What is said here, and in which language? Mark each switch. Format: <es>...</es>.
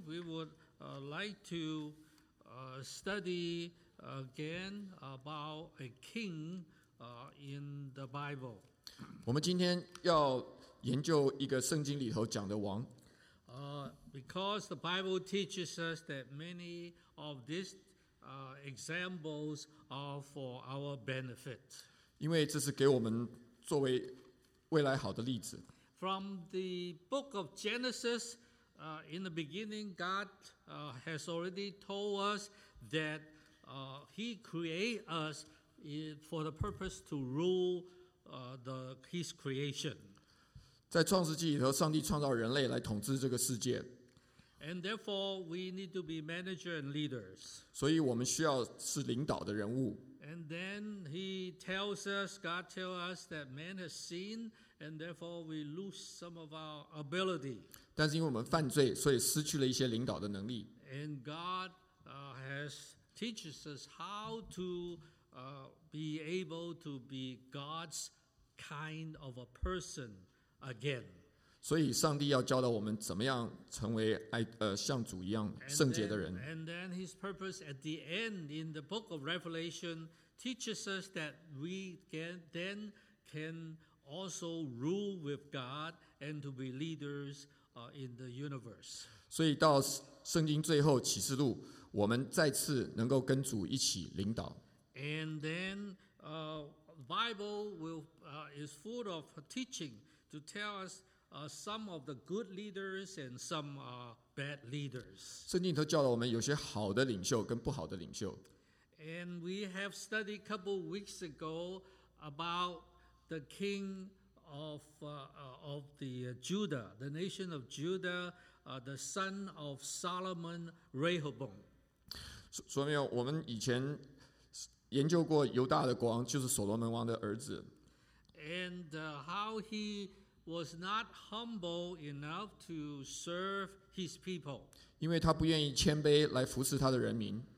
<en>would like to study again about a king in the Bible.</en> <zh>我们今天要研究一个圣经里头讲的王。</zh> <en>Because the Bible teaches us that many of these examples are for our benefit.</en> <zh>因为这是给我们作为未来好的例子。</zh> <en>From the book of Genesis, in the beginning, God has already told us that He created us for the purpose to rule His creation.</en> <zh>在创世纪里头，上帝创造人类来统治这个世界。</zh> <en>And therefore, we need to be managers and leaders.</en> <zh>所以我们需要是领导的人物。</zh> <en>And then he tells us, God tells us that man has sinned, and therefore we lose some of our ability.</en> <zh>但是因为我们犯罪，所以失去了一些领导的能力。</zh> <en>And God teaches us how to be able to be God's kind of a person again.</en> <zh>所以上帝要教导我们怎么样成为爱像主一样圣洁的人。</zh> <en>And then his purpose at the end in the book of Revelation teaches us that we then can also rule with God and to be leaders in the universe.</en> <zh>所以到圣经最后启示录，我们再次能够跟主一起领导。</zh> <en>And then Bible is full of teaching to tell us. Some of the good leaders and some are bad leaders.</en> <zh>圣经里头教导我们有些好的领袖跟不好的领袖。</zh> <en>And we have studied a couple weeks ago about the king of the Judah, the nation of Judah, the son of Solomon, Rehoboam.</en> <zh>所以我们以前研究过犹大的国王，就是所罗门王的儿子。</zh> <en>And how he... was not humble enough to serve his people.</en> <zh>因为他不愿意谦卑来服侍他的人民。</zh>